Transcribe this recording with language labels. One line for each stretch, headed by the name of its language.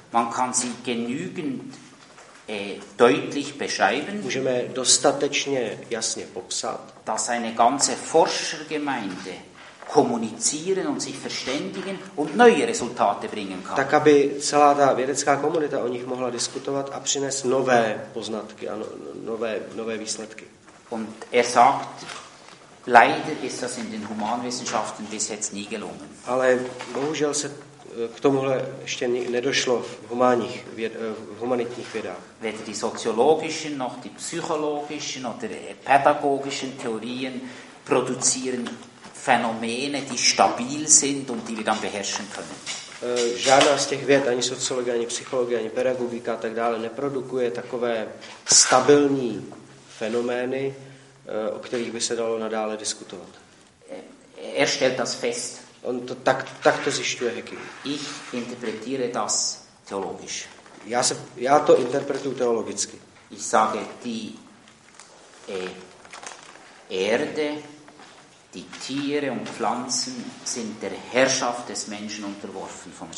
German: Man kann sie genügend deutlich beschreiben.
Czech: Můžeme dostatečně jasně popsat.
German: Dass eine ganze Forschergemeinde kommunizieren und sich verständigen und neue Resultate bringen kann.
Czech: Tak aby celá ta vědecká komunita o nich mohla diskutovat a přinést nové poznatky a nové výsledky.
German: Und er sagt, leider ist das in den Humanwissenschaften bis jetzt nie gelungen.
Czech: Ale bohužel se k tomuhle ještě nedošlo v humanitních vědách.
German: Weder die soziologischen noch die psychologischen oder pädagogischen Theorien produzieren Phänomene, die stabil sind und die wir dann beherrschen können.
Czech: Žádná z těch věd, ani sociologie, ani psychologie, ani pedagogika a tak dále, neprodukuje takové stabilní fenomény, o kterých by se dalo nadále diskutovat.
German: Er stellt das fest.
Czech: On to tak to zjišťuje Hacking.
German: Ich interpretiere das theologisch.
Czech: Já to interpretuju teologicky.
German: Ich sage, die Erde, die Tiere und Pflanzen sind der Herrschaft des Menschen unterworfen von Gott.